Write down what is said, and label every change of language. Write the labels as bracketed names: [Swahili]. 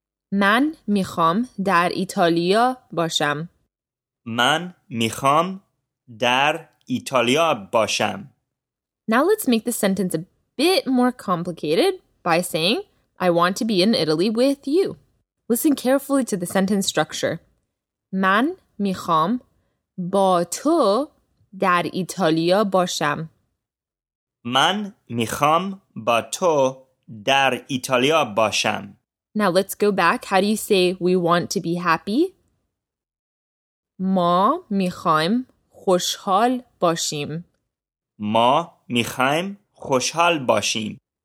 [Persian] Man mikham dar Italia basham. Man mikham dar Italia basham. [English] Now let's make the sentence a bit more complicated by saying, I want to be in Italy with you. Listen carefully to the sentence structure. [Persian] من میخوام با تو در ایتالیا باشم. من میخوام با تو در ایتالیا باشم. [English] Now let's go back. How do you say we want to be happy? [Persian] ما میخوایم خوشحال باشیم. ما میخوایم خوشحال باشیم.